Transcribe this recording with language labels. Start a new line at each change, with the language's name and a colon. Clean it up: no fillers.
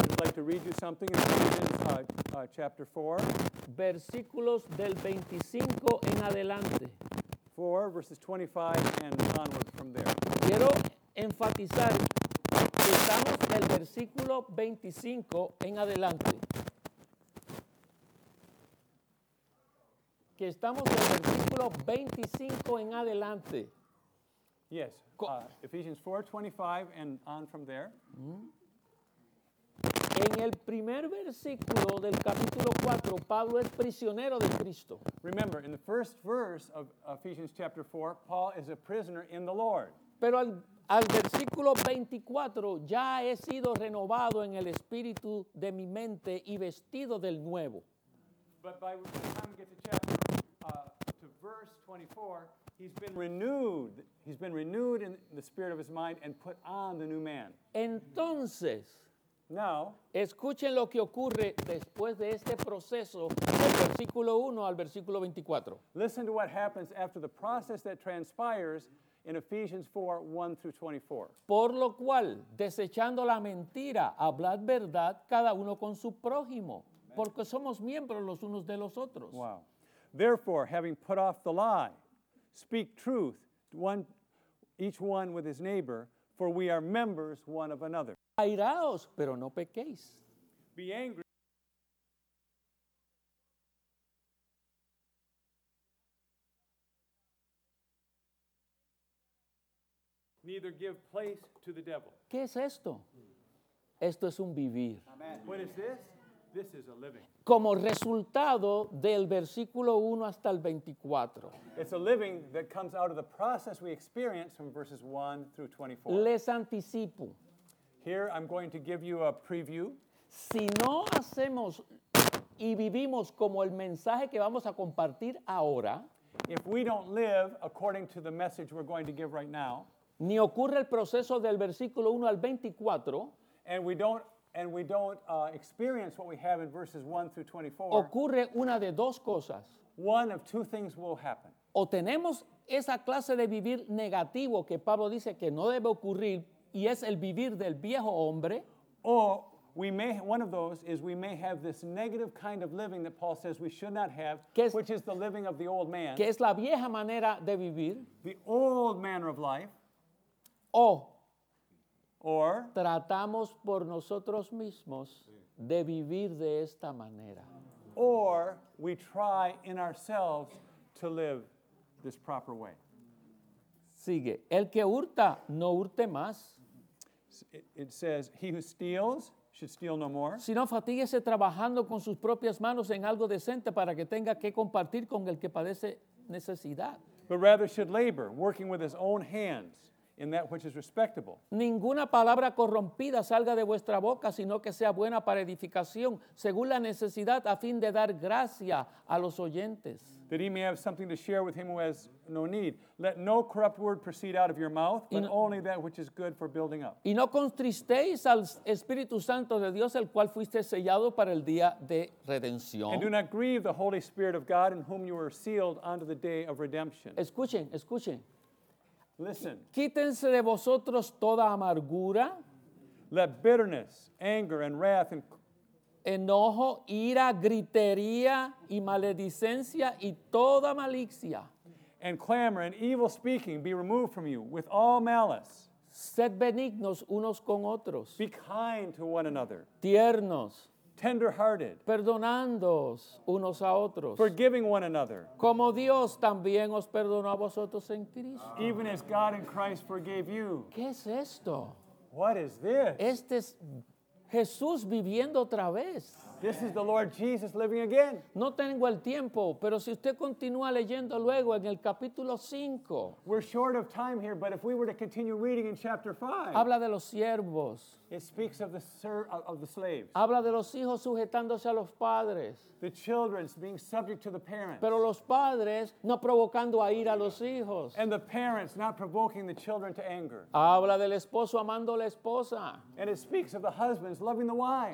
English: like to read you something in Ephesians, chapter 4,
Spanish: versículos del 25 en adelante.
English: 4, verses 25 and onward from there.
Spanish: Quiero enfatizar que estamos en el versículo 25 en adelante. Que estamos en el versículo 25 en adelante.
English: Yes, Ephesians 4, 25 and on from there.
Spanish: En el primer versículo del capítulo 4, Pablo es prisionero de Cristo.
English: Remember, in the first verse of Ephesians chapter 4, Paul is a prisoner in the Lord.
Spanish: Pero al versículo 24, ya he sido renovado en el espíritu de mi mente y vestido del nuevo.
English: But by the time we get to chapter, to verse 24, he's been renewed. He's been renewed in the spirit of his mind and put on the new man.
Spanish: Entonces,
English: now,
Spanish: escuchen lo que ocurre después de este proceso del versículo 1 al versículo 24.
English: Listen to what happens after the process that transpires in Ephesians 4, 1 through 24.
Spanish: Por lo cual, desechando la mentira, hablad verdad cada uno con su prójimo, porque somos miembros los unos de los otros.
English: Wow. Therefore, having put off the lie, speak truth, each one with his neighbor, for we are members one of another.
Spanish: Airaos, pero no pequéis.
English: Be angry. Neither give place to the devil.
Spanish: ¿Qué es esto? Esto es un vivir.
English: Amen. What is this? This is a living.
Spanish: Como resultado del versículo 1 hasta el 24.
English: It's a living that comes out of the process we experience from verses 1 through 24.
Spanish: Les anticipo.
English: Here I'm going to give you a preview.
Spanish: Si no hacemos y vivimos como el mensaje que vamos a compartir ahora,
English: if we don't live according to the message we're going to give right now,
Spanish: ni ocurre el proceso del versículo 1 al 24,
English: and we don't experience what we have in verses 1 through 24,
Spanish: ocurre una de dos cosas.
English: One of two things will happen.
Spanish: O tenemos esa clase de vivir negativo que Pablo dice que no debe ocurrir, y es el vivir del viejo hombre.
English: Or we may, one of those is we may have this negative kind of living that Paul says we should not have, which is the living of the old man.
Spanish: Que es la vieja manera de vivir.
English: The old manner of life.
Spanish: Or tratamos por nosotros mismos de vivir de esta manera.
English: Or we try in ourselves to live this proper way.
Spanish: Sigue. El que hurta, no hurte más.
English: It says, he who steals should steal no more.
Spanish: Sino fatíguese trabajando con sus propias manos en algo decente para que tenga que compartir con el que padece necesidad.
English: But rather should labor, working with his own hands in that which is respectable.
Spanish: Ninguna palabra corrompida salga de vuestra boca, sino que sea buena para edificación, según la necesidad, a fin de dar gracia a los oyentes.
English: That he may have something to share with him who has no need. Let no corrupt word proceed out of your mouth, but only that which is good for building up.
Spanish: Y no contristéis al Espíritu Santo de Dios, el cual fuiste sellado para el día de redención.
English: And do not grieve the Holy Spirit of God, in whom you were sealed unto the day of redemption.
Spanish: Escuchen, escuchen.
English: Listen.
Spanish: Quítense de vosotros toda amargura.
English: Let bitterness, anger, and wrath, and
Spanish: enojo, ira, gritería, y maledicencia, y toda malicia.
English: And clamor and evil speaking be removed from you with all malice.
Spanish: Sed benignos unos con otros.
English: Be kind to one another.
Spanish: Tiernos.
English: Tender-hearted.
Spanish: Perdonándoos unos a otros.
English: Forgiving one another.
Spanish: Como Dios también os perdonó a vosotros en Cristo.
English: Even as God in Christ forgave you.
Spanish: ¿Qué es esto?
English: What is this?
Spanish: Este es Jesús viviendo otra vez.
English: This is the Lord Jesus living again.
Spanish: No tengo el tiempo, pero si usted continúa leyendo luego en el capítulo 5.
English: We're short of time here, but if we were to continue reading in chapter 5.
Spanish: Habla de los siervos.
English: It speaks of the slaves.
Spanish: Habla de los hijos sujetándose a los padres.
English: The children being subject to the parents.
Spanish: Pero los padres no provocando a ira a los hijos.
English: And the parents not provoking the children to anger.
Spanish: Habla del esposo amando a la esposa.
English: And it speaks of the husbands loving the wife.